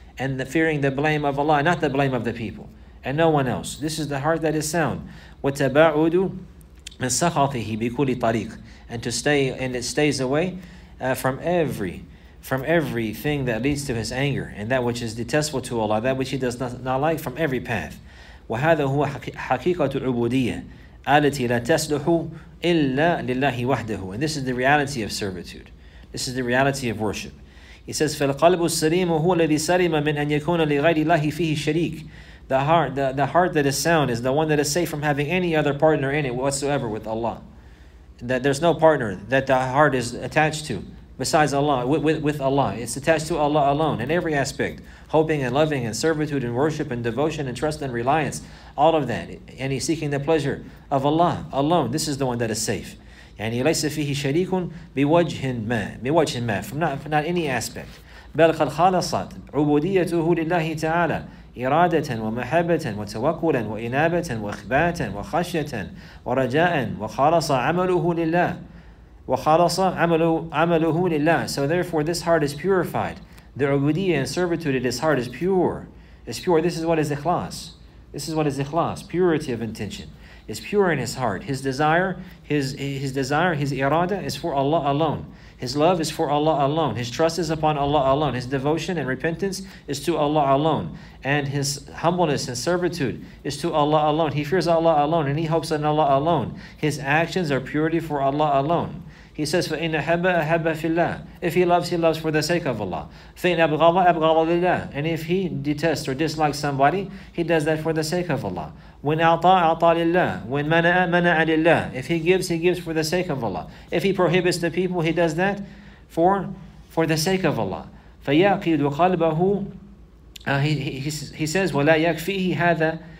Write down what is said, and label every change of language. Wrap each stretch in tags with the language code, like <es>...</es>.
<en>And fearing the blame of Allah, not the blame of the people, and no one else. This is the heart that is sound.</en> <ar>وَتَبَعُدُ مِنْ سَخَطِهِ بِكُلِ طَرِيقٍ.</ar> <en>And to stay, and it stays away from everything that leads to His anger, and that which is detestable to Allah, that which He does not like, from every path.</en> <ar>وَهَذَا هُوَ حَقِيقَةُ الْعُبُودِيَّةِ التي لا تصلح إلا لله وحده.</ar> <en>And this is the reality of servitude. This is the reality of worship. He says,</en> <ar>فالقلب السليم هو الذي سليم من أن يكون لغير الله فيه شريك.</ar> <en>The heart that is sound is the one that is safe from having any other partner in it whatsoever with Allah. That there's no partner that the heart is attached to besides Allah, with Allah. It's attached to Allah alone in every aspect. Hoping and loving and servitude and worship and devotion and trust and reliance. All of that. And he's seeking the pleasure of Allah alone. This is the one that is safe. And he</en> <ar>laysa fihi shariqun biwajhin ma.</ar> <en>From not any aspect.</en> <ar>بَلْ قَدْ خَالَصَتْ عُبُودِيَّتُهُ لِلَّهِ تَعَالَى إرادة ومحبة وتوكلا وإنابة وإخباتا وخشية ورجاء وخلص عمله لله وخلص عمله لله.</ar> <en>So therefore this heart is purified. The ubudiyya and servitude of this heart is pure. It's pure. This is what is ikhlas. This is what is ikhlas. Purity of intention. It's pure in his heart. His desire, his irada is for Allah alone. His love is for Allah alone. His trust is upon Allah alone. His devotion and repentance is to Allah alone. And his humbleness and servitude is to Allah alone. He fears Allah alone and he hopes in Allah alone. His actions are purity for Allah alone. He says,</en> <ar>فَإِنَّ حَبَّ أَحَبَّ فِي اللَّهِ.</ar> <en>If he loves, he loves for the sake of Allah.</en> <ar>فَإِنْ أَبْغَضَ أَبْغَضَ لِلَّهِ.</ar> <en>And if he detests or dislikes somebody, he does that for the sake of Allah.</en> <ar>When أَعْطَى أَعْطَى لِلَّهِ. When مَنَعَ مَنَعَ لِلَّهِ.</ar> <en>If he gives, he gives for the sake of Allah. If he prohibits the people, he does that for the sake of Allah.</en> <ar>فَيَعْقِدُ قَلْبَهُ.</ar> <en>He says,</en> <ar>وَلَا يَكْفِيهِ هَذَا.</ar>